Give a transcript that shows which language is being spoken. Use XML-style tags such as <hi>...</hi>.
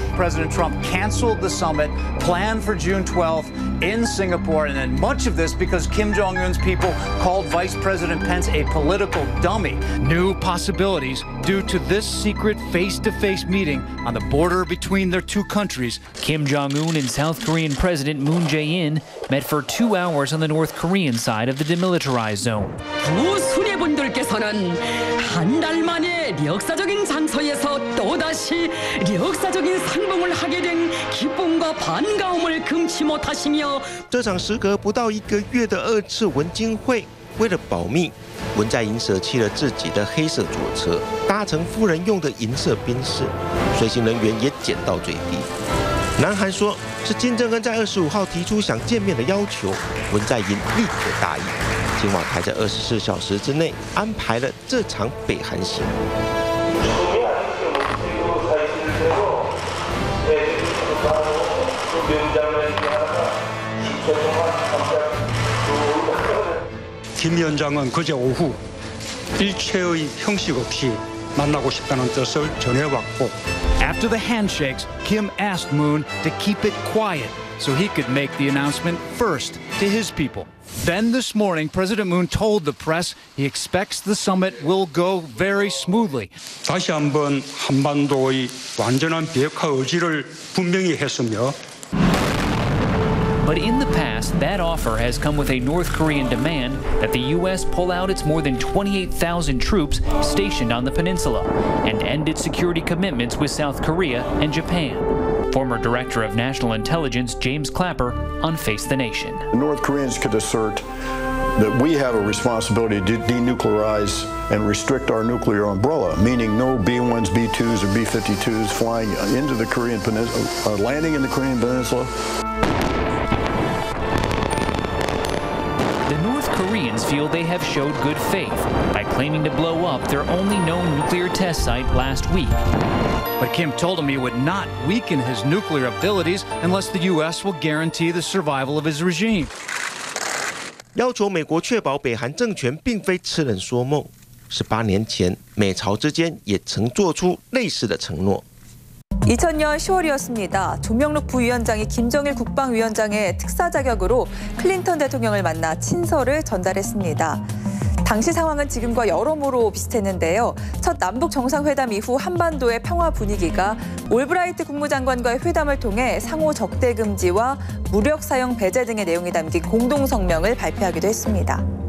<en>President Trump canceled the summit planned for June 12th in Singapore, and then much of this because Kim Jong-un's people called Vice President Pence a political dummy. New possibilities due to this secret face-to-face meeting on the border between their two countries. Kim Jong-un and South Korean President Moon Jae-in met for 2 hours on the North Korean side of the demilitarized zone.</en> <ko>두 수뇌분들께서는 한 달 만에 역사적인 장소에서 또다시 역사적인 상봉을 하게 된 기쁨과 반가움을 금치 못하시며</ko> <zh>这场时隔不到一个月的二次文津会，为了保密，文在寅舍弃了自己的黑色左车，搭乘夫人用的银色宾士，随行人员也减到最低。南韩说是金正恩在25号提出想见面的要求，文在寅立刻答应。青瓦台在24小时之内安排了这场北韩行。</zh> <ko>김 위원장은 그제 오후 일체의 형식 없이 만나고 싶다는 뜻을 전해 왔고</ko> <en>After the handshakes, Kim asked Moon to keep it quiet so he could make the announcement first to his people. Then this morning, President Moon told the press he expects the summit will go very smoothly.</en> <ko>다시 한 번 한반도의 완전한 비핵화 의지를 분명히 했으며</ko> <en>But in the past, that offer has come with a North Korean demand that the U.S. pull out its more than 28,000 troops stationed on the peninsula and end its security commitments with South Korea and Japan. Former Director of National Intelligence James Clapper on Face the Nation. The North Koreans could assert that we have a responsibility to denuclearize and restrict our nuclear umbrella, meaning no B-1s, B-2s, or B-52s flying into the Korean Peninsula, landing in the Korean Peninsula. Koreans feel they have showed good faith by claiming to blow up their only known nuclear test site last week. But Kim told him he would not weaken his nuclear abilities unless the U.S. will guarantee the survival of his regime.</en> <zh>要求美国确保北韩政权并非痴人说梦。 18年前，美朝之间也曾做出类似的承诺。</zh> <ko>2000년 10월이었습니다. 조명록 부위원장이 김정일 국방위원장의 특사 자격으로 클린턴 대통령을 만나 친서를 전달했습니다. 당시 상황은 지금과 여러모로 비슷했는데요. 첫 남북정상회담 이후 한반도의 평화 분위기가 올브라이트 국무장관과의 회담을 통해 상호 적대 금지와 무력 사용 배제 등의 내용이 담긴 공동성명을 발표하기도 했습니다.</ko>